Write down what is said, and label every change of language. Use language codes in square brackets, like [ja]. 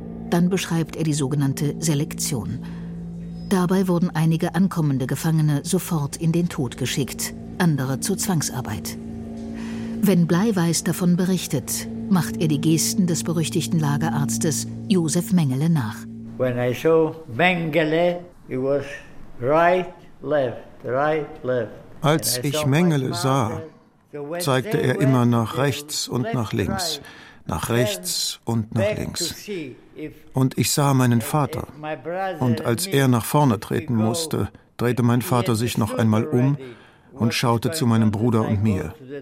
[de] Dann beschreibt er die sogenannte Selektion. Dabei wurden einige ankommende Gefangene sofort in den Tod geschickt, andere zur Zwangsarbeit. Wenn Bleiweis davon berichtet, macht er die Gesten des berüchtigten Lagerarztes Josef Mengele nach. [en] When I saw Mengele, it was right, left, right, left. [de] Als ich Mengele sah, zeigte er immer nach rechts und nach links, nach rechts und nach links. Und ich sah meinen Vater. Und als er nach vorne treten musste, drehte mein Vater sich noch einmal um und schaute zu meinem Bruder und mir.